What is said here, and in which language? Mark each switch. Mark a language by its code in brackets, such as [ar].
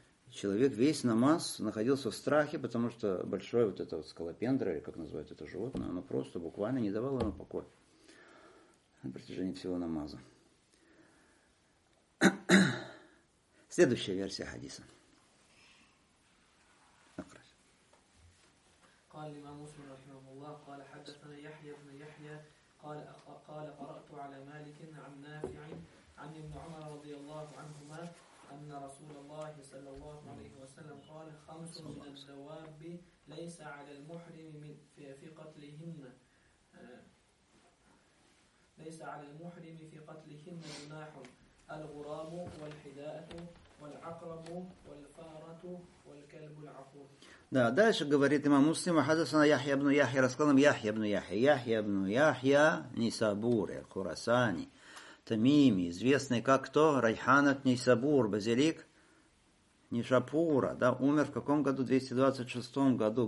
[ru] Человек весь намаз находился в страхе, потому что большое вот это вот скалопендра, или как называют это животное, оно просто буквально не давало ему покоя на протяжении всего намаза. Следующая версия хадиса. [ar] قال امام مسلم رحمه الله قال حدثنا يحيى بن يحيى قال قال قرات على مالك عن نافع عن ابن عمر رضي الله عنهما ان رسول الله صلى الله عليه وسلم قال خمس من الدواب ليس على المحرم من في قتلهن ليس على المحرم في قتلهن جناح الغراب والحداءة والعقرب والفارة والكلب العقور. [ru] Да, дальше говорит имам Муслим, хадасана Яхья ибн Яхья, рассказал нам Яхья ибн Яхья. Яхья ибн Яхья, Нисабуре, Хурасани, Тамими, известный как кто? Райханат Нисабур, базилик Нишапура, да, умер в каком году? В 226 году.